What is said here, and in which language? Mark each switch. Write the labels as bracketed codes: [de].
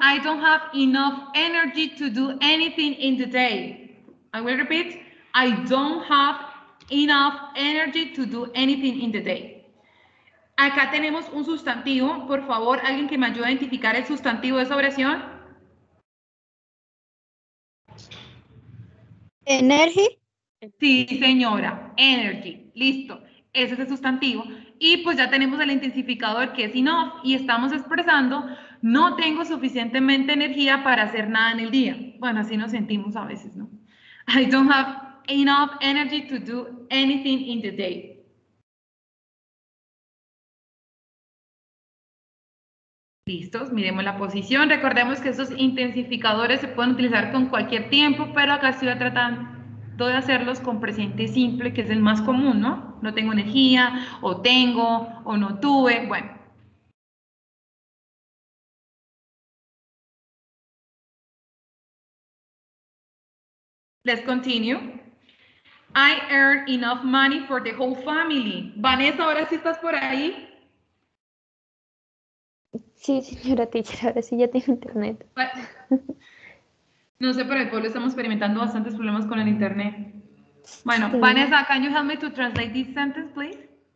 [en] I don't have enough energy to do anything in the day. I will repeat. I don't have enough energy to do anything in the day. [es] Acá tenemos un sustantivo. Por favor, alguien que me ayude a identificar el sustantivo de esa oración. [en] ¿Energy? [es] Sí, señora. Energy. Listo. Ese es el sustantivo. Y pues ya tenemos el intensificador que es enough y estamos expresando no tengo suficientemente energía para hacer nada en el día. Bueno, así nos sentimos a veces, ¿no? [en] I don't have enough energy to do anything in the day. [es] Listos, miremos la posición. Recordemos que esos intensificadores se pueden utilizar con cualquier tiempo, pero acá estoy tratando de hacerlos con presente simple, que es el más común, ¿no? No tengo energía, o tengo, o no tuve, bueno. [en] Let's continue. I earn enough money for the whole family. [es] Vanessa, ¿ahora sí estás por ahí? Sí, señora teacher, ahora sí ya tengo internet. No sé, pero el pueblo estamos experimentando bastantes problemas con el internet. Bueno, sí. [en] Vanessa, can you help me to translate this sentence, please?